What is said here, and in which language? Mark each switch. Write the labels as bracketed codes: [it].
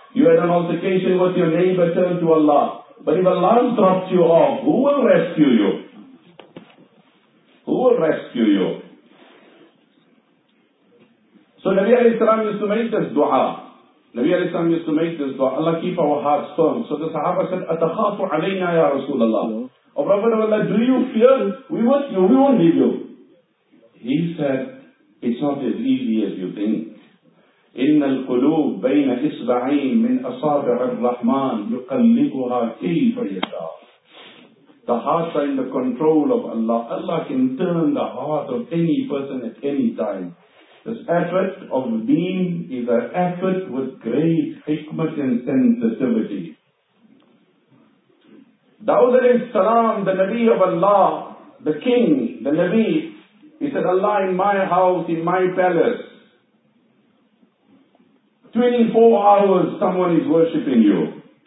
[en] You had an altercation with your neighbor, turn to Allah. But if Allah drops you off, who will rescue you? Who will rescue you? So Nabi alayhi salam used to make this dua. Nabi alayhi salam used to make this dua. Allah keep our hearts firm. So the Sahaba said, [ar] أَتَخَافُ عَلَيْنَا يَا رَسُولَ اللَّهِ. [en] Oh, Prophet of Allah, do you fear? We want you, we won't leave you. He said, it's not as easy as you think. [ar] إِنَّ الْقُلُوبِ بَيْنَ إِصْبَعِينَ مِنْ أَصَابِعِ الرَّحْمَانِ يُقَلِّبُهَا كَيْفَ يَشَاءُ. [en] The hearts are in the control of Allah. Allah can turn the heart of any person at any time. This effort of deen is an effort with great hikmat and sensitivity. Dawud alayhi salam, the Nabi of Allah, the King, the Nabi, he said, Allah in my house, in my palace, 24 hours someone is worshipping you.